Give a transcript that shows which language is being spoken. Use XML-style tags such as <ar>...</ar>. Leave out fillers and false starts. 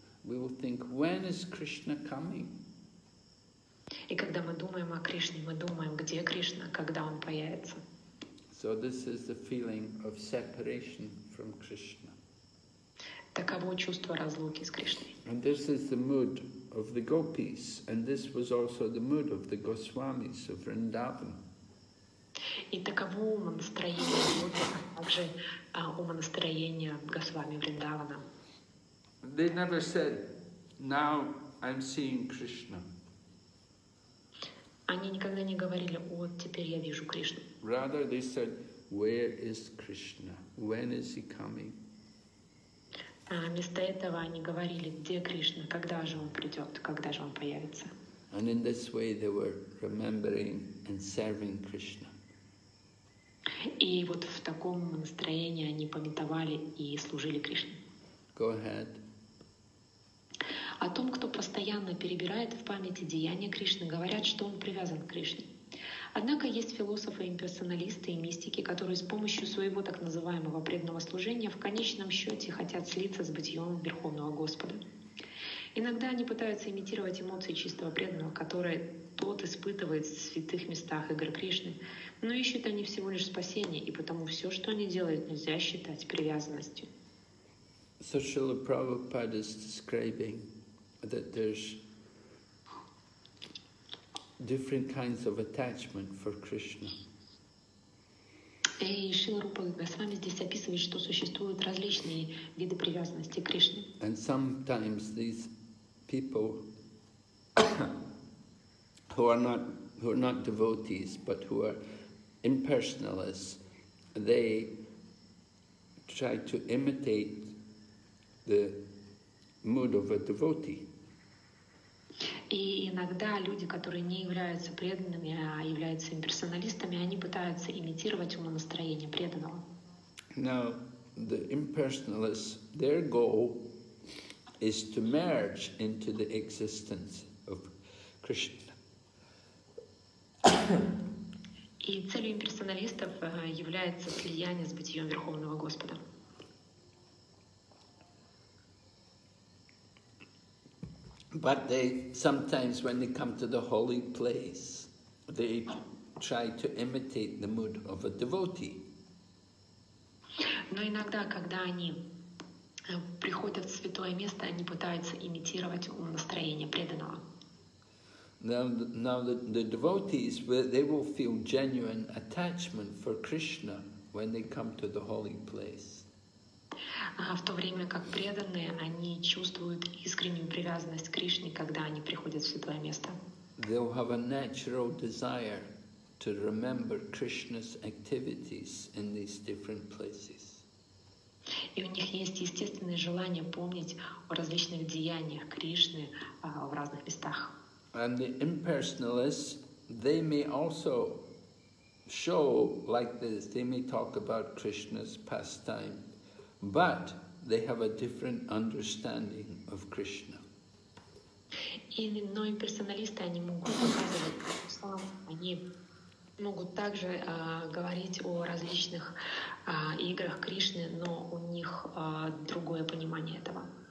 <en>We will think, when is Krishna coming?</en> <ru>И когда мы думаем о Кришне, мы думаем, где Кришна, когда он появится.</ru> <en>So this is the feeling of separation from Krishna.</en> <ru>Таково чувство разлуки с Кришной.</ru> <en>And this is the mood of the gopis, and this was also the mood of the goswamis of Vrindavan.</en> <ru>И таково настроение гопи, также настроение госвами Вриндавана.</ru> <en>They never said, "Now I'm seeing Krishna."</en> <ru>Они никогда не говорили, "Вот теперь я вижу Кришну."</ru> <en>Rather, they said, "Where is Krishna? When is he coming?"</en> <ru>Вместо этого они говорили, где Кришна, когда же он придет, когда же он появится.</ru> <en>And in this way they were remembering and serving Krishna.</en> <ru>И вот в таком настроении они памятовали и служили Кришне.</ru> <en>Go ahead.</en> <ru>О том, кто постоянно перебирает в памяти деяния Кришны, говорят, что он привязан к Кришне. Однако есть философы, имперсоналисты и мистики, которые с помощью своего так называемого преданного служения в конечном счете хотят слиться с бытием Верховного Господа. Иногда они пытаются имитировать эмоции чистого преданного, которые тот испытывает в святых местах игр Кришны, но ищут они всего лишь спасение, и потому все, что они делают, нельзя считать привязанностью.</ru> <en>So Srila Prabhupada is describing that there's different kinds of attachment for Krishna.</en> <ru>И Шрила Прабхупада с вами здесь описывает, что существуют различные виды привязанности к Кришне.</ru> <en>And sometimes these people who are not devotees, but who are impersonalists, they try to imitate the mood of a devotee.</en> <ru>И иногда люди, которые не являются преданными, а являются имперсоналистами, они пытаются имитировать умонастроение преданного.</ru> <en>Now, the impersonalists, their goal is to merge into the existence of Krishna.</en> <ru>И целью имперсоналистов является слияние с бытием Верховного Господа.</ru> <en>But they sometimes, when they come to the holy place, they try to imitate the mood of a devotee.</en> <ru>Но иногда, когда они приходят в святое место, они пытаются имитировать настроение преданного.</ru> <en>Now the devotees, they will feel genuine attachment for Krishna when they come to the holy place.</en> <ru>В то время как преданные, они чувствуют искреннюю привязанность к Кришне, когда они приходят в святое место.</ru> <en>They'll have a natural desire to remember Krishna's activities in these different places.</en> <ru>И у них есть естественное желание помнить о различных деяниях Кришны в разных местах.</ru> <en>And the impersonalists, they may also show like this, they may talk about Krishna's pastime, but they have a different understanding of Krishna.</en> <ru>Но имперсоналисты, они могут показывать славу, они могут также говорить о различных играх Кришны, но у них другое понимание этого.</ru>